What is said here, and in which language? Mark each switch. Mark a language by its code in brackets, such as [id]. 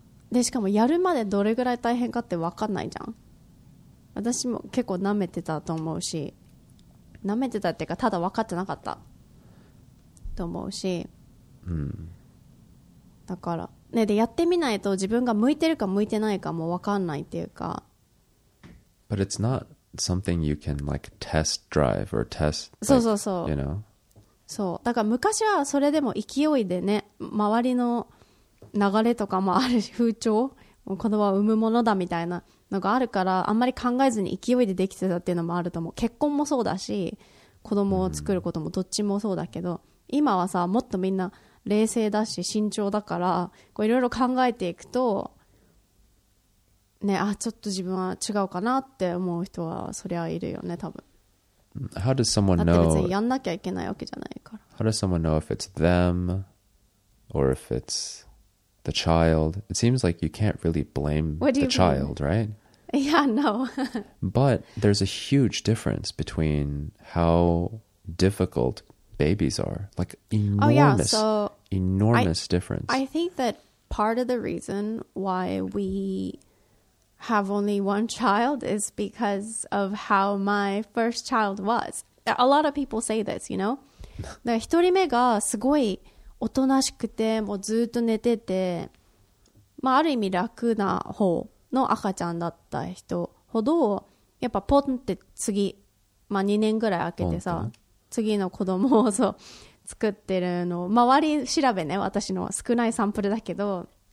[ja] でしかもやるまでどれぐらい大変かって分かんないじゃん私も結構舐めてたと思うし舐めてたっていうかただ分かってなかったと思うし、だから、ね、でやってみないと自分が向いてるか向いてないかも分かんないっていうか [en] But it's not something you can like test drive or test like, [ja] そうそうそう, [en] you know? [ja] そうだから昔はそれでも勢いでね周りの流れとかもあるし風潮子供を産むものだみたいなのがあるからあんまり考えずに勢いでできてたっていうのもあると思う結婚もそうだし子供を作ることもどっちもそうだけど、うん、今はさもっとみんな冷静だし慎重だからいろいろ考えていくとね、あちょっと自分は違うかなって思う人はそりゃいるよね多分。 [en] How does someone know? [ja] だって別にやんなきゃいけないわけじゃないから。 [en] How does someone know if it's them or if it's the child? It seems like you can't really blame the child, right? Yeah, no. But there's a huge difference between how difficult babies are. Like enormous, oh, yeah. So enormous difference. I think that part of the reason why we have only one child is because of how my first child was. A lot of people say this, you know? [ja] 一人目がすごいおとなしくてもうずっと寝てて、まあ、ある意味楽な方の赤ちゃんだった人ほどやっぱポンって次、まあ、2年ぐらい空けてさ次の子供をそう作ってるの周り調べね私の少ないサンプルだけど